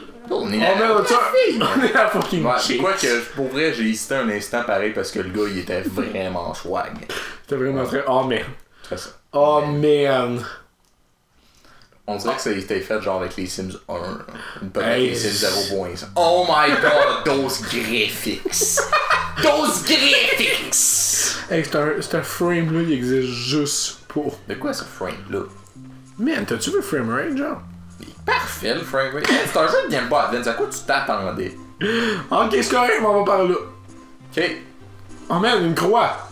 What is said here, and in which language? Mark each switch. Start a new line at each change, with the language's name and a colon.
French: On est à la fucking chase. Ouais, quoi que, pour vrai, j'ai hésité un instant pareil parce que le gars, il était vraiment swag. C'était vraiment très.
English: Oh, man. Oh, man.
French: On dirait que ça a été fait genre avec les Sims 1. Une petite Sims 0.5.
English: Oh my god, those graphics! Those graphics!
French: Hey, c'est un frame là, il existe juste pour. De quoi ce frame là? Man, t'as-tu vu frame rate, genre? Il est parfait le frame rate. C'est un jeu de Game Boy Advance, à quoi tu t'attendais? Ok, c'est correct, on va par là. Ok. Oh man, une croix!